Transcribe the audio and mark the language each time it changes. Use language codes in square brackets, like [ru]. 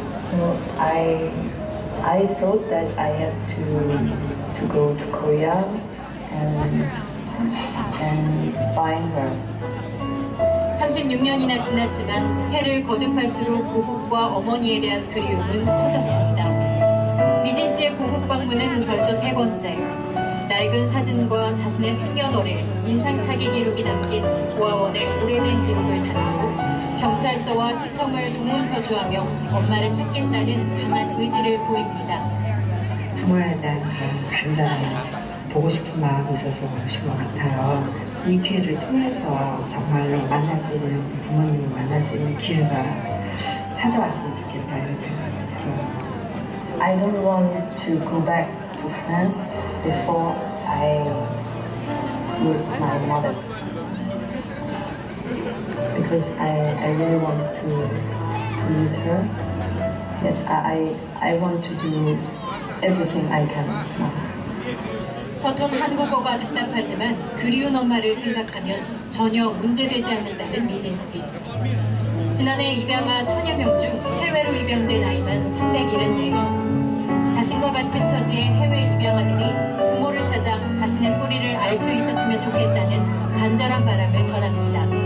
[en] So I thought that I had to go to Korea and find her. [ko] 36년이나 지났지만 해를 거듭할수록 고국과 어머니에 대한 그리움은 커졌습니다. 미진 씨의 고국 방문은 벌써 세 번째. 낡은 사진과 자신의 생년월일, 인상착의 기록이 담긴 보아원의 오래된 기록을 가지고 경찰서와 시청을 동원서주하며 엄마를 찾겠다는 강한 의지를 보입니다. 부모에 대한 간절한 보고 싶은 마음이 있어서 오신 것 같아요. 이 기회를 통해서 정말로 만날 수 있는 부모님을 만날 수 있는 기회가 찾아왔으면 좋겠다 이런 생각입니다. [en] I don't want to go back to France before I meet my mother because I really want to meet her. Yes, I want to do everything I can now. [ko] 서툰 한국어가 답답하지만 그리운 엄마를 생각하면 전혀 문제되지 않는다는 미진 씨. 지난해 입양아 천여 명 중 해외로 입양된 아이만 374명. 자신과 같은 처지의 해외 입양아들이 부모를 찾아 자신의 뿌리를 알 수 있었으면 좋겠다는 간절한 바람을 전합니다.